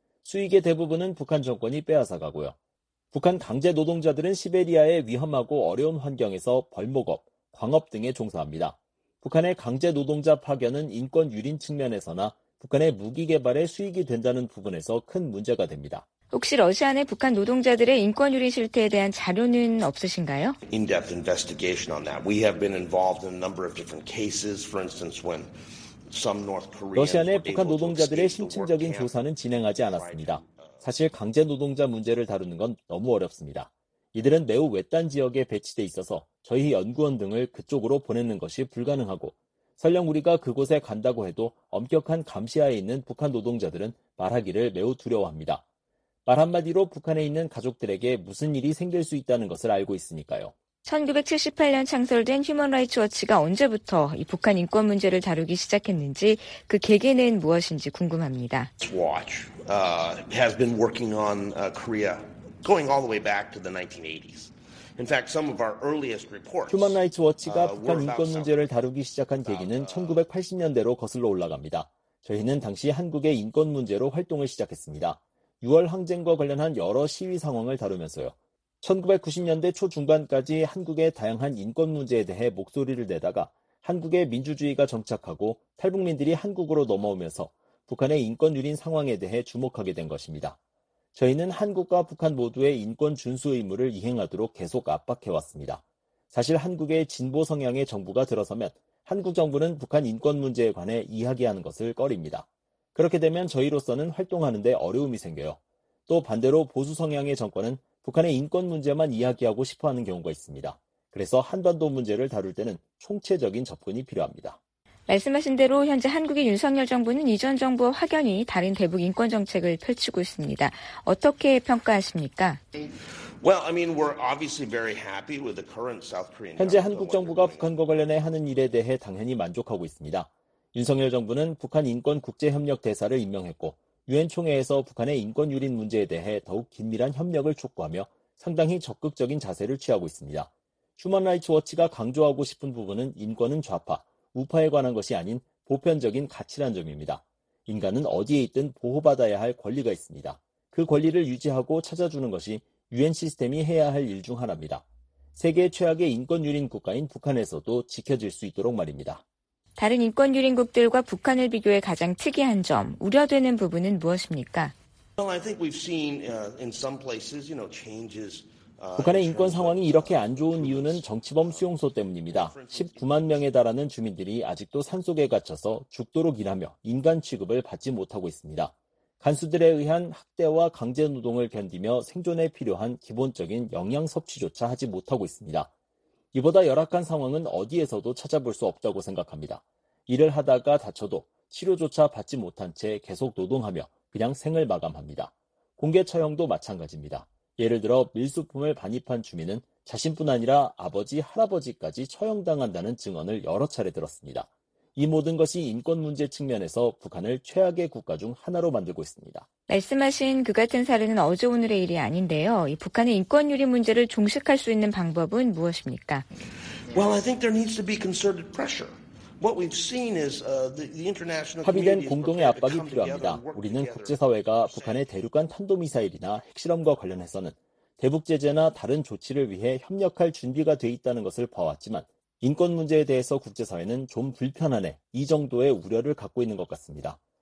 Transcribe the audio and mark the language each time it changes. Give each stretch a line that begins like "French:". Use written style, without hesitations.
Korean: 수익의 대부분은 북한 정권이 빼앗아 가고요. 북한 강제 노동자들은 시베리아의 위험하고 어려운 환경에서 벌목업, 광업 등에 종사합니다. 북한의 강제 노동자 파견은 인권 유린 측면에서나 북한의 무기 개발에 수익이 된다는 부분에서 큰 문제가 됩니다. 혹시 러시아 내 북한 노동자들의 인권 유린 실태에 대한 자료는 없으신가요?
English: In-depth investigation on that. We have been involved in a number of different cases. For instance, when some North Koreans
Korean: 러시아 내 북한 노동자들의 심층적인 조사는 진행하지 않았습니다. 사실 강제 노동자 문제를 다루는 건 너무 어렵습니다. 이들은 매우 외딴 지역에 배치돼 있어서 저희 연구원 등을 그쪽으로 보내는 것이 불가능하고 설령 우리가 그곳에 간다고 해도 엄격한 감시하에 있는 북한 노동자들은 말하기를 매우 두려워합니다. 말 한마디로 북한에 있는 가족들에게 무슨 일이 생길 수 있다는 것을 알고 있으니까요. 1978년 창설된 휴먼라이트워치가 언제부터 이 북한 인권 문제를 다루기 시작했는지 그 계기는 무엇인지 궁금합니다.
English: Watch has been working on Korea going all the way back to the 1980s. In fact, some of our earliest reports.
Korean: 휴먼라이트워치가 북한 인권 문제를 다루기 시작한 계기는 1980년대로 거슬러 올라갑니다. 저희는 당시 한국의 인권 문제로 활동을 시작했습니다. 6월 항쟁과 관련한 여러 시위 상황을 다루면서요. 1990년대 초중반까지 한국의 다양한 인권 문제에 대해 목소리를 내다가 한국의 민주주의가 정착하고 탈북민들이 한국으로 넘어오면서 북한의 인권 유린 상황에 대해 주목하게 된 것입니다. 저희는 한국과 북한 모두의 인권 준수 의무를 이행하도록 계속 압박해왔습니다. 사실 한국의 진보 성향의 정부가 들어서면 한국 정부는 북한 인권 문제에 관해 이야기하는 것을 꺼립니다. 그렇게 되면 저희로서는 활동하는 데 어려움이 생겨요. 또 반대로 보수 성향의 정권은 북한의 인권 문제만 이야기하고 싶어하는 경우가 있습니다. 그래서 한반도 문제를 다룰 때는 총체적인 접근이 필요합니다. 말씀하신 대로 현재 한국의 윤석열 정부는 이전 정부와 확연히 다른 대북 인권 정책을 펼치고 있습니다. 어떻게 평가하십니까?
English: Well, I mean, we're obviously very happy with the current South Korean.
Korean: 현재 한국 정부가 북한과 관련해 하는 일에 대해 당연히 만족하고 있습니다. 윤석열 정부는 북한 인권 국제 협력 대사를 임명했고 유엔 총회에서 북한의 인권 유린 문제에 대해 더욱 긴밀한 협력을 촉구하며 상당히 적극적인 자세를 취하고 있습니다. 휴먼라이트워치가 강조하고 싶은 부분은 인권은 좌파, 우파에 관한 것이 아닌 보편적인 가치란 점입니다. 인간은 어디에 있든 보호받아야 할 권리가 있습니다. 그 권리를 유지하고 찾아주는 것이 유엔 시스템이 해야 할 일 중 하나입니다. 세계 최악의 인권 유린 국가인 북한에서도 지켜질 수 있도록 말입니다. 다른 인권 유린국들과 북한을 비교해 가장 특이한 점, 우려되는 부분은 무엇입니까?
English: Well, I think we've seen in some places, you know, changes.
Korean: 북한의 인권 상황이 이렇게 안 좋은 이유는 정치범 수용소 때문입니다. 19만 명에 달하는 주민들이 아직도 산속에 갇혀서 죽도록 일하며 인간 취급을 받지 못하고 있습니다. 간수들에 의한 학대와 강제 노동을 견디며 생존에 필요한 기본적인 영양 섭취조차 하지 못하고 있습니다. 이보다 열악한 상황은 어디에서도 찾아볼 수 없다고 생각합니다. 일을 하다가 다쳐도 치료조차 받지 못한 채 계속 노동하며 그냥 생을 마감합니다. 공개 처형도 마찬가지입니다. 예를 들어 밀수품을 반입한 주민은 자신뿐 아니라 아버지, 할아버지까지 처형당한다는 증언을 여러 차례 들었습니다. 이 모든 것이 인권 문제 측면에서 북한을 최악의 국가 중 하나로 만들고 있습니다. 말씀하신 그 같은 사례는 어제 오늘의 일이 아닌데요. 이 북한의 인권 유린 문제를 종식할 수 있는 방법은 무엇입니까?
English: Well, I think there needs to be concerted pressure. What we've seen is the international
Korean: 합의된 공동의 압박이 필요합니다. 우리는 국제사회가 북한의 대륙간 탄도미사일이나 핵실험과 관련해서는 대북 제재나 다른 조치를 위해 협력할 준비가 돼 있다는 것을 봐왔지만 인권 문제에 대해서 국제사회는 좀 불편하네 이 정도의 우려를 갖고 있는 것 같습니다.